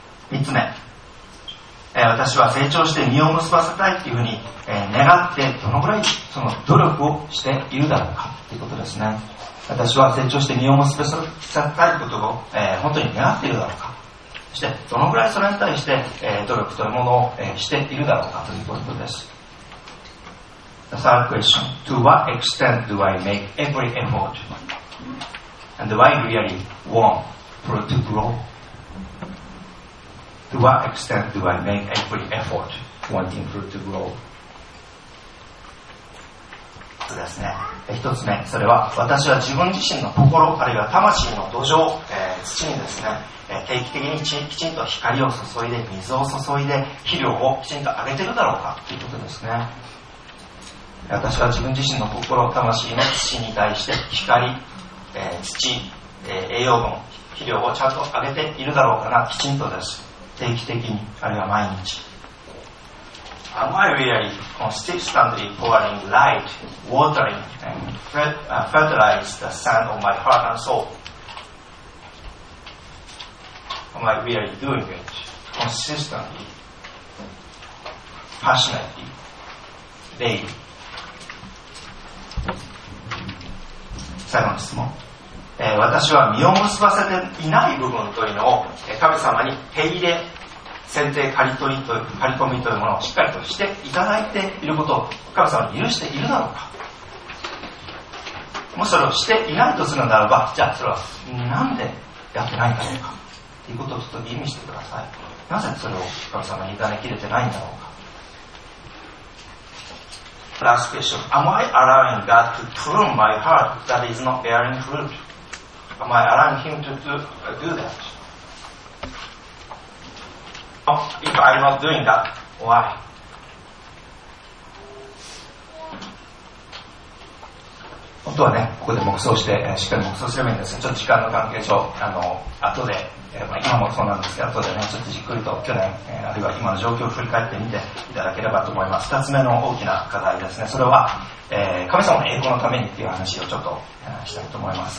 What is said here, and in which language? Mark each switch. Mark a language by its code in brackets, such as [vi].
[ja] 3つ目、私は成長して実を結ばせたいというふうに、願ってどのぐらいその努力をしているだろうかということですね。私は成長して実を結ばせたいことを、本当に願っているだろうか、そしてどのぐらいそれに対して、努力というものを、しているだろうかということです。 [en] The third question: To what extent do I make every effort? And do I really want for it to growTo what extent do I make every effort wanting fruit to grow? [ja] そうですね。一つ目、それは私は自分自身の心あるいは魂の土壌、土にですね、定期的にきちんと光を注いで、水を注いで、肥料をきちんとあげてるだろうかということですね。私は自分自身の心魂の土に対して光、土、栄養分、肥料をちゃんとあげているだろうかな、きちんとです。定期的に、あるいは毎日。 [en] Am I really consistently pouring light, watering, and fertilize the sand of my heart and soul? Am I really doing it consistently, passionately, daily? [ja] 最後の質問。私は身を結ばせていない部分というのを、神様に手入れ、選定、刈り込みというものをしっかりとしていただいていることを神様に許しているだろうか。もしそれをしていないとするならば、じゃあそれはなんでやってないんだろうかということをちょっと意味してください。なぜそれを神様に委ねきれてないんだろうか。 [en] Last question: Am I allowing God to prune my heart that is not bearing fruit? Am I allowing Him to do thatIf I'm not doing that, why? Yeah. [ja] 本当はね、ここで黙想して、しっかり黙想すればいいんですが、ちょっと時間の関係上、後で、今もそうなんですが、後でね、ちょっとじっくりと去年、あるいは今の状況を振り返ってみていただければと思います。 2つ目の大きな課題ですね。それは、神様の栄光のためにっていう話をちょっと、したいと思います。